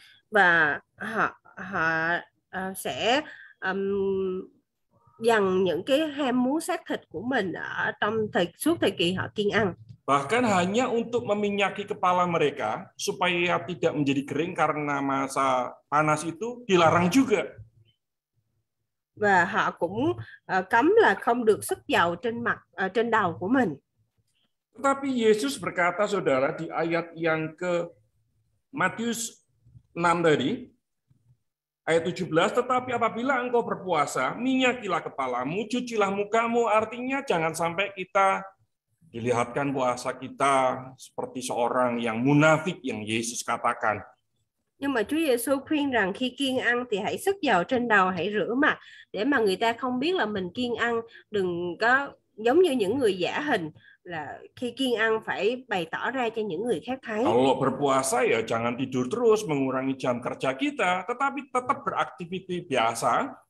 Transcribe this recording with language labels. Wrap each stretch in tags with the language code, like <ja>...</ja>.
<vi>Và họ sẽ dằn những cái ham muốn xác thịt của mình ở trong thời suốt thời kỳ họ kiêng ăn.</vi> <id>Bahkan hanya untuk meminyaki kepala mereka supaya tidak menjadi kering karena masa panas itu dilarang juga. Và họ cũng cấm là không được xức dầu trên mặt trên đầu của mình. Tetapi Yesus berkata, saudara, di ayat yang ke Matius 6 tadi, ayat 17, tetapi apabila engkau berpuasa, minyakilah kepalamu, cucilah mukamu. Artinya jangan sampai kita dilihatkan puasa kita seperti seorang yang munafik yang Yesus katakan.</id> <vi>Nhưng mà Chúa Giêsu khuyên rằng khi kiêng ăn thì hãy xức dầu trên đầu, hãy rửa mặt để mà người ta không biết là mình kiêng ăn, đừng có giống như những người giả hình là khi kiêng ăn phải bày tỏ ra cho những người khác thấy.</vi> <id>Kalau berpuasa ya jangan tidur terus, mengurangi jam kerja kita, tetapi tetap beraktivitas biasa.</id>